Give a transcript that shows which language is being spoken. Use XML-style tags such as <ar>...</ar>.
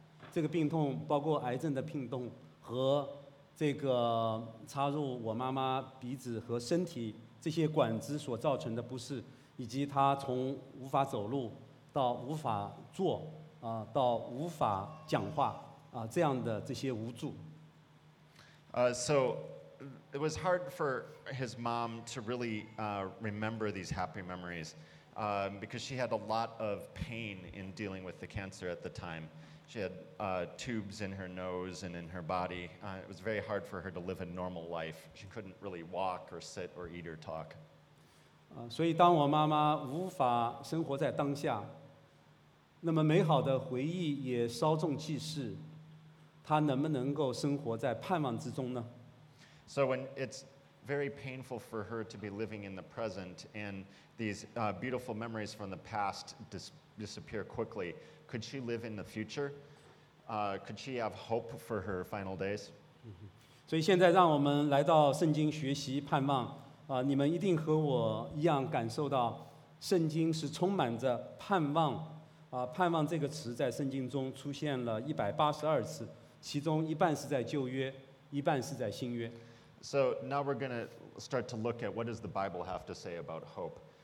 <zh>这个病痛包括癌症的病痛和这个插入我妈妈鼻子和身体这些管子所造成的不适，以及她从无法走路到无法坐，啊，到无法讲话，啊，这样的这些无助。</zh> <en>So it was hard for his mom to really remember these happy memories because she had a lot of pain in dealing with the cancer at the time. She had tubes in her nose and in her body. It was very hard for her to live a normal life. She couldn't really walk or sit or eat or talk. So when my mom can't live in the moment, then the beautiful memories also burn bright. Can she live in the hope? So when it's very painful for her to be living in the present and these beautiful memories from the past disappear quickly,Could she live in the future? Could she have hope for her final days?</en> <zh>所以现在让我们来到圣经学习盼望。你们一定和我一样感受到圣经是充满着盼望。盼望这个词在圣经中出现了182次，其中一半是在旧约，一半是在新约。</zh> <en>So now we're going to start to look at what does the Bible have to say about hope.</en>